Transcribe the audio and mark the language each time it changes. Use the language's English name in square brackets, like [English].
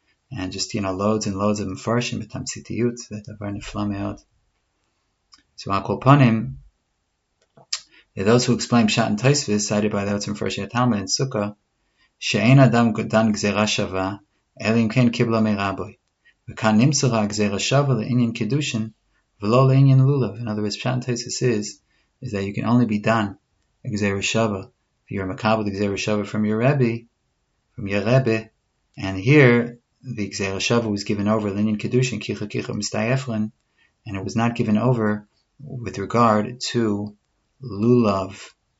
[English] And just, you know, loads and loads of Mefarshim, Betam Tzitiyut, that [Hebrew] Davar Nifla Me'od. [English] So Al Kol Panim, there are those who explain Pshat and Tosfos, cited by the Otzim Mefarshei HaTalmud in Sukkah, [Hebrew] שאין אדם דן גזירה שווה, אלא אם כן קיבלה מרבוי. וכאן נמצרה גזירה שווה לעניין קידושן, ולא לעניין לולב. [English] In other words, Pshat Tosfos is that you can only be done a gzera shava. If you're a makabel the gzera shava from your rebbe, and here the gzera shava was given over lenin kedushin kicha kicha mistai efren, and it was not given over with regard to lulav.